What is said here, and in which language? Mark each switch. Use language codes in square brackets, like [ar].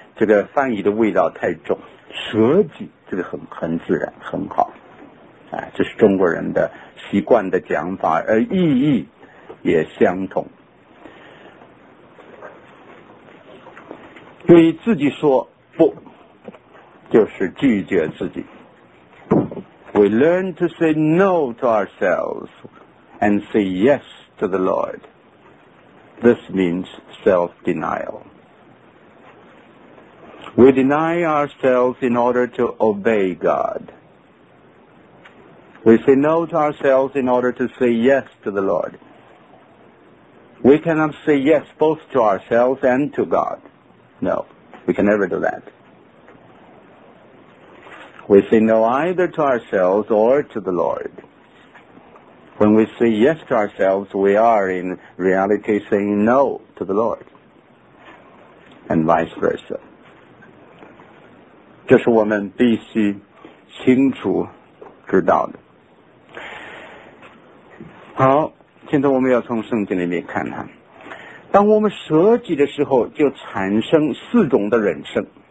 [zh] 这个翻译的味道太重，舍己这个很自然，很好。这是中国人的习惯的讲法，而意义也相同。对自己说不，就是拒绝自己。 [en] We learn to say no to ourselves and say yes to the Lord. This means self-denial. We deny ourselves in order to obey God. We say no to ourselves in order to say yes to the Lord. We cannot say yes both to ourselves and to God. No, we can never do that. We say no either to ourselves or to the Lord. When we say yes to ourselves, we are in reality saying no to the Lord. And vice versa. [zh] 这是我们必须清楚知道的。好，现在我们要从圣经里面看看，当我们舍己的时候，就产生四种的人生。